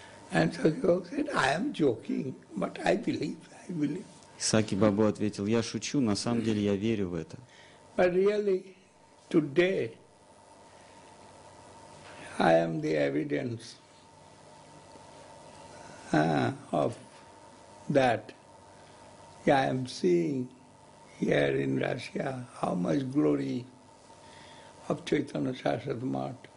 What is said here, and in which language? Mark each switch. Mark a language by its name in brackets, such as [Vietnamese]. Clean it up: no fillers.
[English] And Saki Babu said, I am joking, but I believe, I believe. [Russian] Саки Бабу ответил, я шучу, на самом деле я верю в это. [English] But really, today, I am the evidence of that. Yeah, I am seeing here in Russia how much glory of Chaitanya Sarasvati Mat.